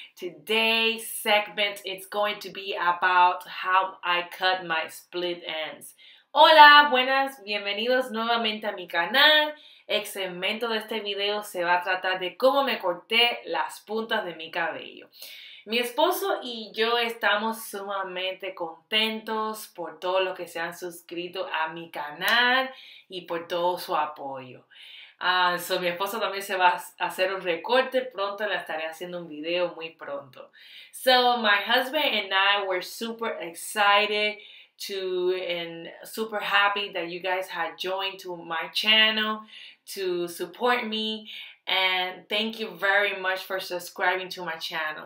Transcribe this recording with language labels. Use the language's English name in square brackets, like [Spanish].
[English] Today's segment is going to be about how I cut my split ends. [Spanish] Hola, buenas, bienvenidos nuevamente a mi canal. El segmento de este video se va a tratar de cómo me corté las puntas de mi cabello. Mi esposo y yo estamos sumamente contentos por todo lo que se han suscrito a mi canal y por todo su apoyo. Mi esposo también se va a hacer un recorte pronto, le estaré haciendo un video muy pronto. [English] So, my husband and I were super excited and super happy that you guys had joined to my channel to support me. And thank you very much for subscribing to my channel.